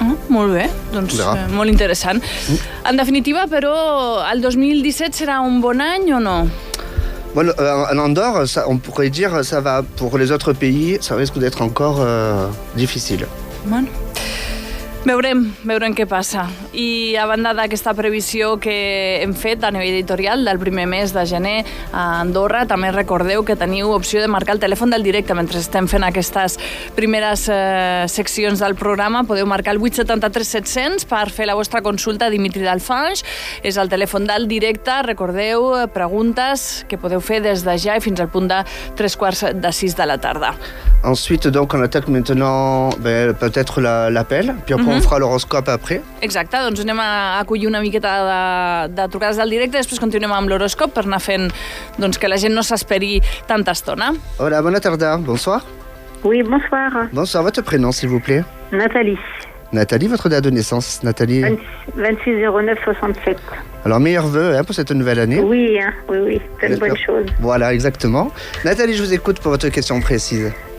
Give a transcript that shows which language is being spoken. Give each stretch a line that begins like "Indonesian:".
Catalan: Molt bé, doncs molt interessant. En definitiva, però el 2017 serà un bon any o no?
French: Bon, en Andorre, ça, on pourrait dire ça va. Pour les autres pays, ça risque d'être encore difficile.
Catalan: Bon. Veurem què passa. I a banda d'aquesta previsió que hem fet a nivell editorial del primer mes de gener a Andorra, també recordeu que teniu opció de marcar el telèfon del directe mentre estem fent aquestes primeres seccions del programa. Podeu marcar el 873-700 per fer la vostra consulta a Dimitri Dalfanch. És el telèfon del directe. Recordeu, preguntes que podeu fer des de ja i fins al punt de 5:45 de la tarda.
French: Ensuite, donc, on attaque maintenant peut-être l'appel, puis après on fera l'horoscope après.
Catalan: Exacte, doncs anem a acollir una miqueta de trucades del directe i després continuem amb l'horoscope per anar fent doncs, que la gent no s'esperi tanta estona. Hola, bona tarda, bonsoir.
French: Oui, bonsoir. Bonsoir, votre prénom, s'il vous plaît. Nathalie, votre date de naissance, Nathalie. 26-09-67. Alors, meilleurs voeux pour cette nouvelle année. Oui, c'est une bonne chose. Voilà, exactement. Nathalie, je vous écoute pour votre question précise.